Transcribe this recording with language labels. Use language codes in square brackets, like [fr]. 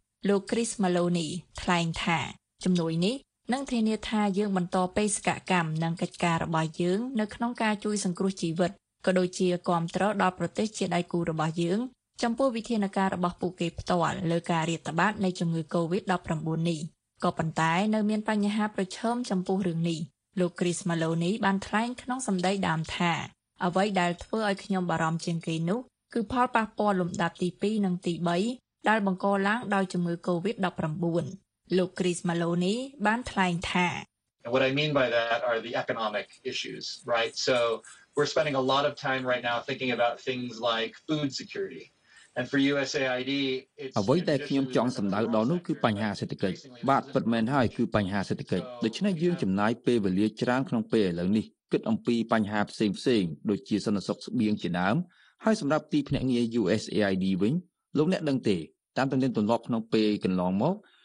[km] លោក Chris Maloney ថ្លែងថាជំនួយនេះនឹងធានាថាយើងបន្តបេសកកម្មនិងកិច្ចការរបស់យើងនៅក្នុងការជួយសង្គ្រោះជីវិតក៏ដូចជាគាំទ្រដល់ប្រទេសជាដៃគូរបស់យើងចំពោះវិធានការរបស់ពួកគេផ្ទាល់លើការរាតត្បាតនៃជំងឺ COVID-19 នេះក៏ប៉ុន្តែនៅមានបញ្ហាប្រឈមចំពោះរឿងនេះលោក Chris Maloney បានថ្លែងក្នុងសម្ដីដើមថា អ្វីដែលធ្វើឲ្យខ្ញុំបារម្ភជាងគេនោះគឺផលប៉ះពាល់លំដាប់ទី2និងទី3ដែលបង្កឡើងដោយជំងឺ COVID-19 លោក Chris Maloney បានថ្លែងថា [en] What I mean by that are the economic issues, right? So we're spending a lot of time right now thinking about things like food security. And for USAID it's [km] អ្វីដែលខ្ញុំចង់សម្ដៅដល់នោះគឺបញ្ហាសេដ្ឋកិច្ចបាទពិតមែនហើយគឺបញ្ហាសេដ្ឋកិច្ចដូច្នេះយើងចំណាយពេលវេលាច្រើនក្នុងពេលឥឡូវនេះគិតអំពីបញ្ហាផ្សេងផ្សេងដូចជាសន្តិសុខស្បៀងជាដើមហើយសម្រាប់ទីភ្នាក់ងារ USAID វិញលោកអ្នកដឹងទេតាមទំនៀមទម្លាប់ក្នុងពេលកន្លងមក